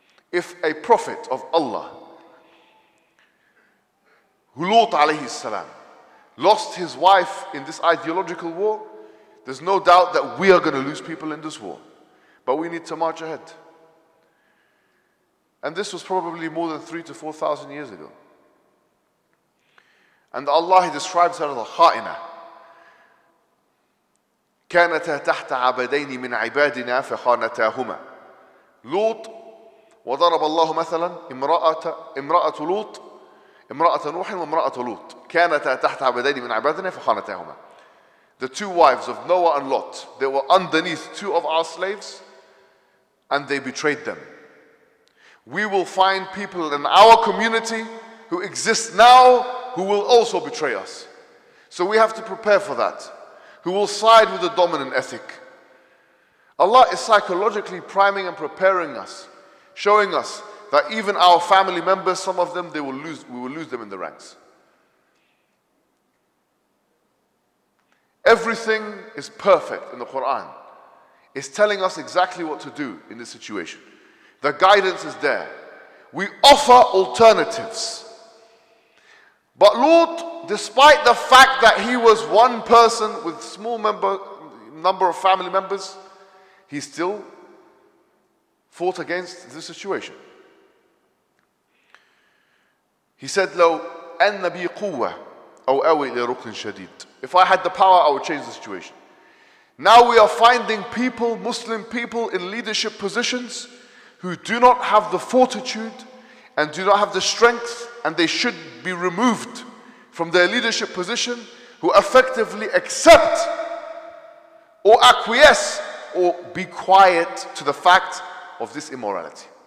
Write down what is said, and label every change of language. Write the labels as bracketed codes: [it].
[en] If a prophet of Allah, Lut alayhi salam, lost his wife in this ideological war, there's no doubt that we are going to lose people in this war. But we need to march ahead. And this was probably more than 3,000 to 4,000 years ago. And Allah, he describes her as a khaina. [ar] كانت تحت عبدين من عبادنا فخانتاهما. Lut, وضرب الله مثلا امرأة لوط امرأة نوح وامرأة لوط كانت تحت عبدين من عبادنا فخانتاهما. [en] The two wives of Noah and Lot, they were underneath two of our slaves and they betrayed them. We will find people in our community who exist now who will also betray us. So we have to prepare for that. Who will side with the dominant ethic. Allah is psychologically priming and preparing us, showing us that even our family members, some of them, we will lose them in the ranks. Everything is perfect in the Quran. It's telling us exactly what to do in this situation. The guidance is there. We offer alternatives. But Lut, despite the fact that he was one person with small number of family members, he still fought against the situation. He said, [ar] لو أن بي قوة أو أوي إلى ركن شديد. [en] If I had the power, I would change the situation. Now we are finding people, Muslim people, in leadership positions who do not have the fortitude and do not have the strength, and they should be removed from their leadership position, who effectively accept or acquiesce or be quiet to the fact of this immorality.